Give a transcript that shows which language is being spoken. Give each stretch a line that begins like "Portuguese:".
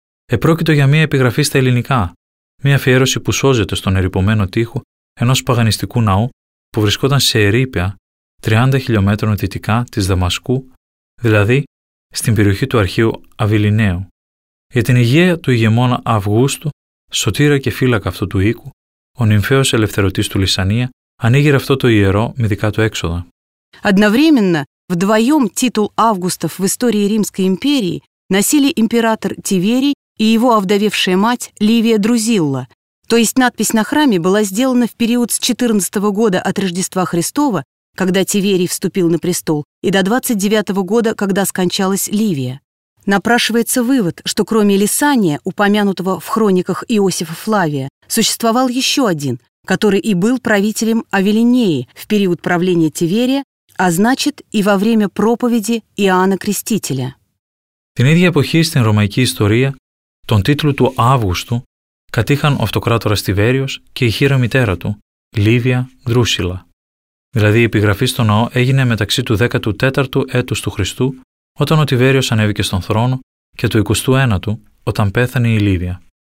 Greek: Επρόκειτο για μια επιγραφή στα ελληνικά, μια αφιέρωση που σώζεται στον ερυπωμένο τοίχο ενός παγανιστικού ναού που βρισκόταν σε ερείπια 30 χιλιόμετρων δυτικά της Δαμασκού, δηλαδή στην περιοχή του αρχείου Αβιλινέου. Για την υγεία του ηγεμόνα Αυγούστου, σωτήρα και φύλακα αυτού του οίκου, ο νυμφαίος ελευθερωτής του Λυσανία ανοίγει αυτό το ιερό με δικά του έξοδα.
Russian: Одновременно, вдвоем титул Августов в истории Римской империи носили император Тиверий и его овдовевшая мать Ливия Друзилла. То есть надпись на храме была сделана в период с 14 года от Рождества Христова, когда Тиверий вступил на престол, и до 29 года, когда скончалась Ливия. Напрашивается вывод, что кроме Лисания, упомянутого в хрониках Иосифа Флавия, существовал еще один, который и был правителем Авелинеи в период правления Тиверия, а значит и во время проповеди Иоанна Крестителя.
Greek: Την ίδια εποχή στην ρωμαϊκή ιστορία, τον τίτλο του Αύγουστου κατήχαν ο αυτοκράτορας Τιβέριος και η χείρα μητέρα του, Λίβια Δρούσιλα. Δηλαδή η επιγραφή στο ναό έγινε μεταξύ του 14ου έτους του Χριστού, όταν ο Τιβέριος ανέβηκε στον θρόνο, και του 21ου, όταν πέθανε η Λίβια.